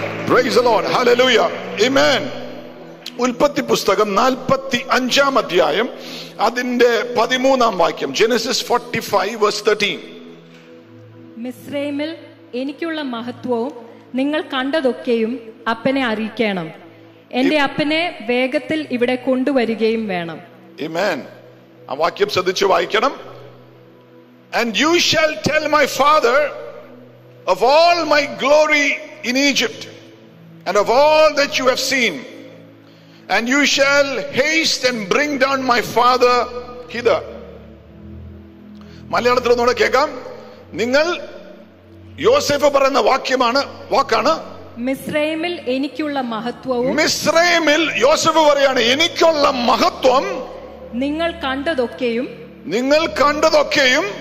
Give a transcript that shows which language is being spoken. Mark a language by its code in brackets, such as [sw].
[en] praise the Lord, [ml] hallelujah, ആമേൻ. ഉൽപ്പത്തി പുസ്തകം 45 അധ്യായം അതിന്റെ 13 വാക്യം, Genesis 45:13. മിസ്രയീമിൽ എനിക്കുള്ള മഹത്വവും നിങ്ങൾ കണ്ടതൊക്കെയും അപ്പനെ അറിയിക്കണം. എന്റെ അപ്പനെ വേഗത്തിൽ ഇവിടെ കൊണ്ടുവരികയും വേണം. ആമേൻ. ആ വാക്യം ശ്രദ്ധിച്ചു വായിക്കണം. [en] And you shall tell my father of all my glory in Egypt and of all that you have seen. And you shall haste and bring down my father hither. [ml] മലയാളത്തിൽ ഒന്നുകൂടെ കേൾക്കാം. നിങ്ങൾ യോസേഫ് പറയുന്ന വാക്യമാണ്, വാക്കാണ്. മിസ്രയീമിൽ എനിക്കുള്ള മഹത്വവും, മിസ്രയീമിൽ യോസേഫ് പറയാണ് എനിക്കുള്ള മഹത്വം നിങ്ങൾ കണ്ടതൊക്കെയും, നിങ്ങൾ കണ്ടതൊക്കെയും